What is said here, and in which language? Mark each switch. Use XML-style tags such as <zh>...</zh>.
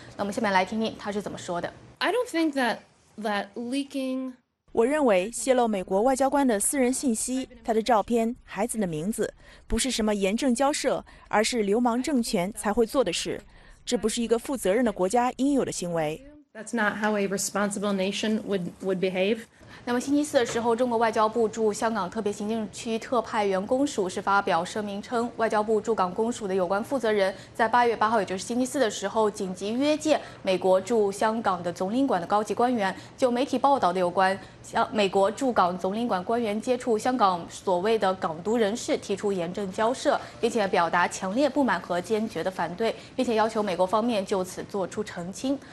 <zh>那我们下面来听听他是怎么说的。</zh> <en>I don't think that leaking，</en> <zh>我认为泄露美国外交官的私人信息，他的照片、孩子的名字，不是什么严正交涉，而是流氓政权才会做的事，这不是一个负责任的国家应有的行为。</zh> <en>That's not how a responsible nation would behave.</en> <zh>那么星期四的时候，中国外交部驻香港特别行政区特派员公署是发表声明称，外交部驻港公署的有关负责人在8月8号，也就是星期四的时候，紧急约见美国驻香港的总领馆的高级官员，就媒体报道的有关美国驻港总领馆官员接触香港所谓的港独人士提出严正交涉，并且表达强烈不满和坚决的反对，并且要求美国方面就此做出澄清。</zh>